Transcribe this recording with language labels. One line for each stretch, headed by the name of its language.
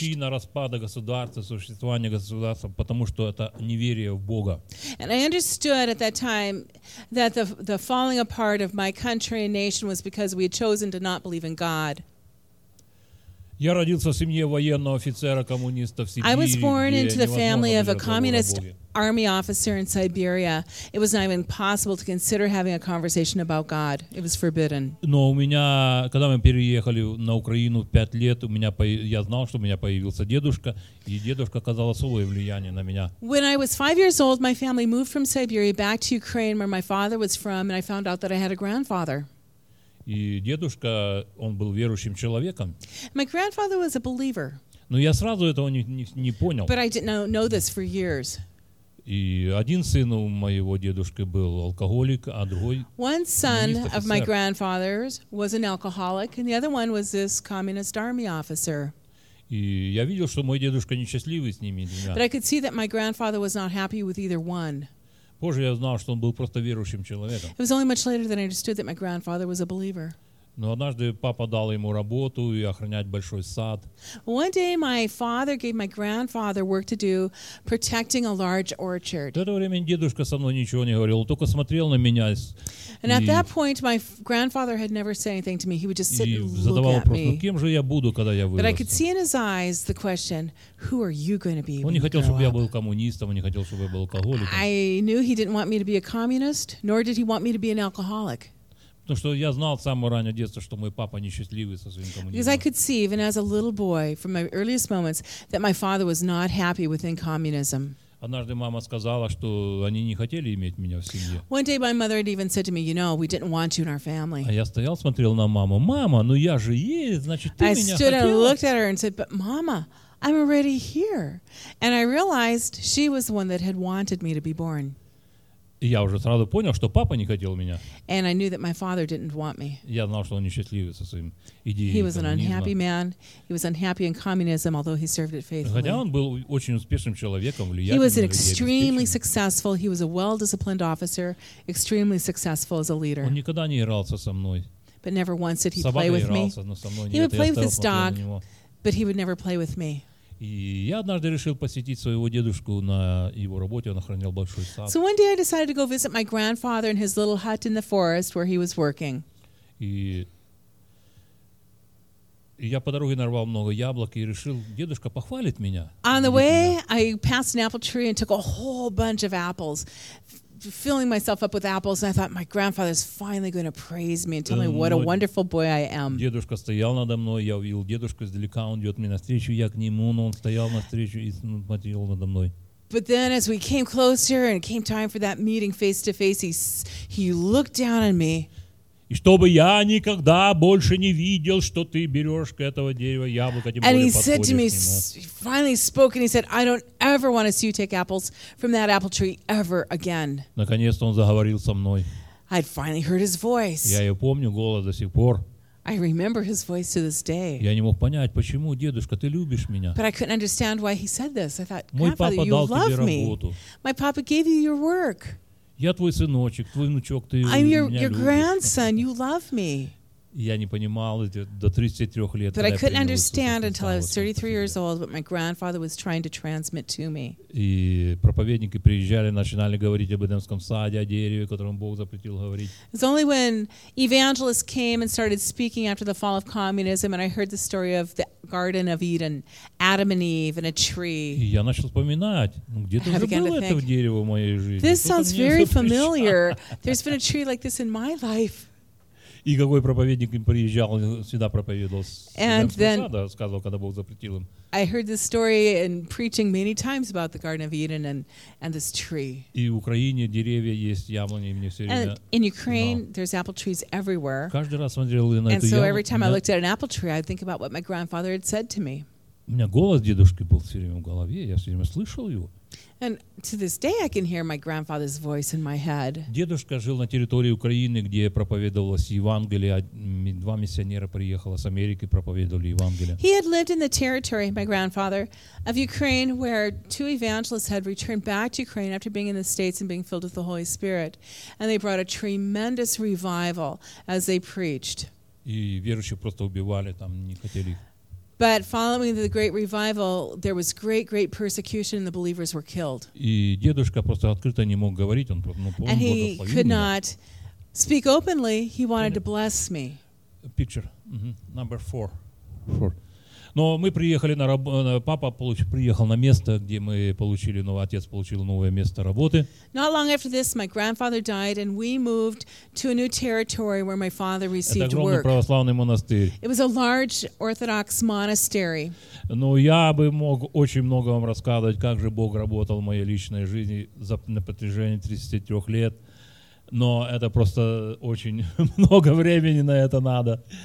Russian: Причина распада государства, существования государства, потому что это неверие в Бога.
English: And I understood at that time that the falling apart of my country and nation was because we had chosen to not believe in God.
Russian: Я родился в семье военного офицера коммуниста в Сибири.
English: I was born into the family of a communist army officer in Siberia. It was not even possible to consider having a conversation about God. It was forbidden.
Russian: Но у меня, когда мы переехали на Украину в 5 лет, я знал, что у меня появился дедушка, и дедушка оказал особое влияние на меня.
English: When I was 5 years old, my family moved from Siberia back to Ukraine where my father was from, and I found out that I had a grandfather.
Russian: И дедушка, он был верующим человеком.
English: My grandfather was a believer.
Russian: Но я сразу этого не понял.
English: But I didn't know this for years.
Russian: И один сын у моего дедушки был алкоголик, а другой
English: One son of my grandfather's was an alcoholic, and the other one was this communist army officer.
Russian: И я видел, что мой дедушка несчастливый с ними двумя.
English: But I could see that my grandfather was not happy with either one.
Russian: Позже я знал, что он был просто верующим человеком.
English: It was only much later that I understood that my grandfather was a believer.
Russian: Но однажды папа дал ему работу и охранять большой сад.
English: One day my father gave my grandfather work to do protecting a large orchard.
Russian: В это время дедушка со мной ничего не говорил, только смотрел на меня.
English: And at that point my grandfather had never said anything to me. He would just sit and look at me.
Russian: Задавал вопрос, ну кем же я буду, когда я вырасту?
English: But I could see in his eyes the question, who are you going to be?
Russian: Он не хотел, чтобы я был коммунистом, он не хотел, чтобы я был алкоголиком.
English: I knew he didn't want me to be a communist, nor did he want me to be an alcoholic.
Russian: Потому что я знал с самого раннего детства, что мой папа несчастливый со своим коммунизмом.
English: Because I could see, even as a little boy, from my earliest moments, that my father was not happy within communism.
Russian: Однажды мама сказала, что они не хотели иметь меня в семье.
English: One day my mother had even said to me, you know, we didn't want you in our family.
Russian: А я стоял, смотрел на маму. Мама, ну я же есть, значит, ты меня хотела.
English: I stood and looked at her and said, but mama, I'm already here. And I realized she was the one that had wanted me to be born.
Russian: И я уже сразу понял, что папа не хотел меня.
English: And I knew that my father didn't want me.
Russian: Я знал, что он несчастливый со своим идеей.
English: He was an unhappy man. He was unhappy in communism, although he served it faithfully.
Russian: Хотя он был очень успешным человеком, влиятельным.
English: He was an extremely successful. He was a well-disciplined officer, extremely successful as a leader.
Russian: Он никогда не игрался со мной.
English: But never once did he play with me.
Russian: Собака игрался, но со мной нет.
English: He would play with his dog, but he would never play with me.
Russian: И я однажды решил посетить своего дедушку на его работе, он охранял большой сад.
English: So one day I decided to go visit my grandfather in his little hut in the forest where he was working.
Russian: И я по дороге нарвал много яблок и решил, дедушка похвалит меня.
English: On the way, I passed an apple tree and took a whole bunch of apples, filling myself up with apples, and I thought, my grandfather's finally going to praise me and tell me what a wonderful boy I am.
Russian: Дедушка стоял надо мной, я увидел дедушку издалека, он идет мне навстречу, я к нему, но он стоял навстречу и смотрел надо мной.
English: But then as we came closer and it came time for that meeting face to face, he looked down on me.
Russian: И чтобы я никогда больше не видел, что ты берешь к этого дерева яблоко, тем более подходишь к нему.
English: And he finally spoke and he said, I don't ever want to see you take apples from that apple tree ever again.
Russian: Наконец-то он заговорил со мной.
English: I'd finally heard his voice.
Russian: Я его помню голос до сих пор.
English: I remember his voice to this day.
Russian: Я не мог понять, почему, дедушка, ты любишь меня.
English: But I couldn't understand why he said this. I thought, Grandfather, you love me. My papa gave you your work.
Russian: Я твой сыночек, твой внучок, ты меня любишь.
English: I'm your grandson, you love me.
Russian: Я не понимал до 33 лет.
English: But I couldn't understand until I was 33 years old what my grandfather was trying to transmit to me.
Russian: И проповедники приезжали, начинали говорить об Эдемском саде, о дереве, о котором Бог запретил говорить.
English: It's only when evangelists came and started speaking after the fall of communism and I heard the story of the Garden of Eden, Adam and Eve and a tree.
Russian: И я начал вспоминать, где-то уже было это дерево в моей жизни.
English: This sounds very familiar. There's been a tree like this in my life.
Russian: И какой проповедник им приезжал, всегда проповедовал с Эдемского сада, сказал, когда Бог запретил им.
English: I heard this story in preaching many times about the Garden of Eden and this tree.
Russian: И в Украине деревья есть, яблони, и мне все время...
English: And in Ukraine, there's apple trees everywhere.
Russian: Каждый раз смотрел на эту яблоню.
English: And so every time I looked at an apple tree, I'd think about what my grandfather had said to me.
Russian: У меня голос дедушки был все время в голове, я все время слышал его.
English: And to this day, I can hear my grandfather's voice in my head.
Russian: Дедушка жил на территории Украины, где проповедовалось Евангелие. Два миссионера приехало с Америки, проповедовали Евангелие.
English: He had lived in the territory, my grandfather, of Ukraine, where two evangelists had returned back to Ukraine after being in the States and being filled with the Holy Spirit, and they brought a tremendous revival as they preached.
Russian: И верующих просто убивали там, не хотели.
English: But following the great revival, there was great, great persecution, and the believers were killed.
Russian: И дедушка просто открыто не мог говорить, он просто, ну,
English: And he could not speak openly. He wanted to bless me. Picture number four.
Russian: Но мы приехали на папа приехал на место, где мы получили новое, отец получил новое место работы.
English: Not long after this, my grandfather died, and we moved to a new territory where my father received work.
Russian: Это огромный православный монастырь.
English: It was a large Orthodox monastery.
Russian: Но я бы мог очень много вам рассказывать, как же Бог работал в моей личной жизни на протяжении 33 лет, но это просто очень много времени на это надо.